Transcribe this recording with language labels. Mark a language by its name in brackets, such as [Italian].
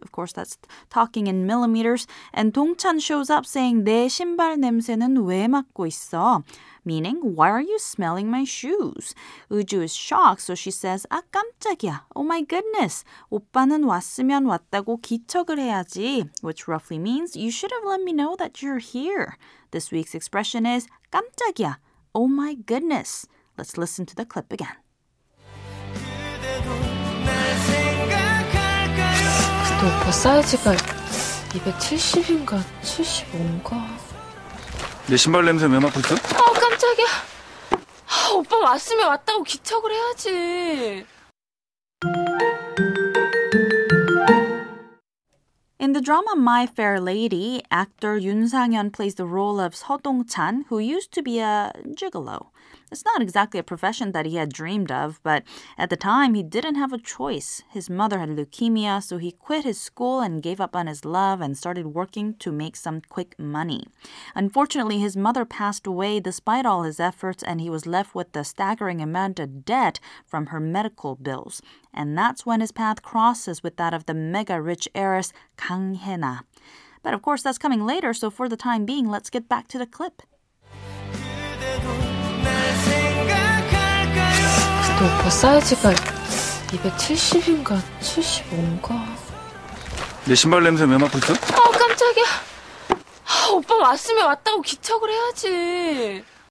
[English] Of course, that's talking in millimeters. And 동찬 shows up saying, [Korean] 내 신발 냄새는 왜 맡고 있어? [English] Meaning, why are you smelling my shoes? Eui-ju is shocked, so she says, [Korean] 아, 깜짝이야. [English] Oh my goodness. [Korean] 오빠는 왔으면 왔다고 기척을 해야지. [English] Which roughly means, you should have let me know that you're here. This week's expression is, [Korean] 깜짝이야. [English] Oh my goodness. Let's listen to the clip again. [Korean] 근데 오빠 사이즈가 270인가 75인가? 내 신발 냄새 왜 맡고 있어? 깜짝이야. 아, 오빠 왔으면 왔다고 기척을 해야지. [English] In the drama My Fair Lady, actor Yoon Sang-hyun plays the role of Seo Dong-chan, who used to be a gigolo. It's not exactly a profession that he had dreamed of, but at the time, he didn't have a choice. His mother had leukemia, so he quit his school and gave up on his love and started working to make some quick money. Unfortunately, his mother passed away despite all his efforts, and he was left with a staggering amount of debt from her medical bills. And that's when his path crosses with that of the mega-rich heiress Kang Hye-na. But of course, that's coming later, so for the time being, let's get back to the clip. [Korean] 오빠 사이즈가 270인가 75인가? 내 신발 냄새 왜 맡고 있어? 아, 깜짝이야. 아, 오빠 왔으면 왔다고 기척을 해야지.